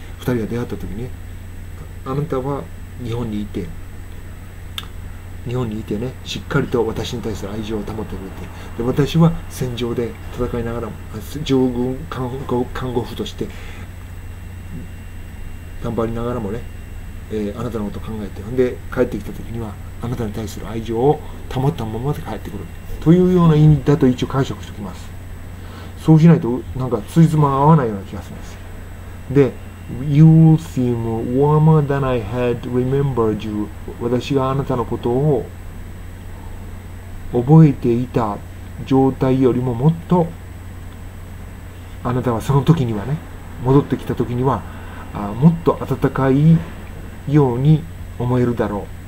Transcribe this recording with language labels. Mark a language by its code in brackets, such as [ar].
[ja] 人が出会った時に、あなたは日本にいて、日本にいてね、しっかりと私に対する愛情を保ってくれて、で私は戦場で戦いながら上軍看護婦として頑張りながらもね、あなたのことを考えて、で帰ってきた時にはあなたに対する愛情を保ったままで帰ってくるというような意味だと一応解釈しておきます。そうしないとなんか辻褄が合わないような気がするんです。 [en] で You seem warmer than I had remembered you。 [ja] 私があなたのことを覚えていた状態よりももっと、あなたはその時にはね、戻ってきた時にはもっと温かいように思えるだろう。